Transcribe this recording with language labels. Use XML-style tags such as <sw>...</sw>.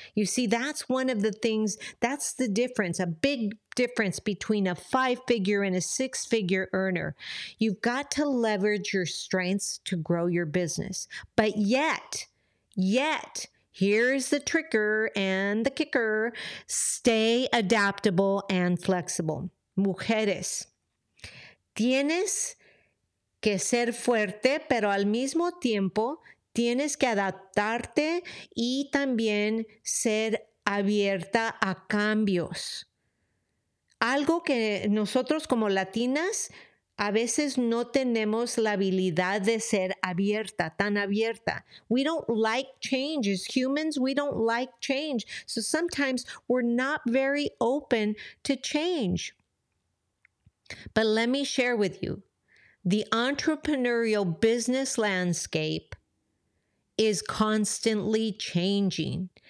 <en>You see, that's one of the things, that's the difference, a big difference between a five-figure and a six-figure earner. You've got to leverage your strengths to grow your business. But yet, here's the tricker and the kicker, stay adaptable and flexible.</en> <es>Mujeres, tienes que ser fuerte, pero al mismo tiempo tienes que adaptarte y también ser abierta a cambios. Algo que nosotros como latinas a veces no tenemos la habilidad de ser abierta, tan abierta.</es> <en>We don't like change. As humans, we don't like change. So sometimes we're not very open to change. But let me share with you, the entrepreneurial business landscape is constantly changing.</en>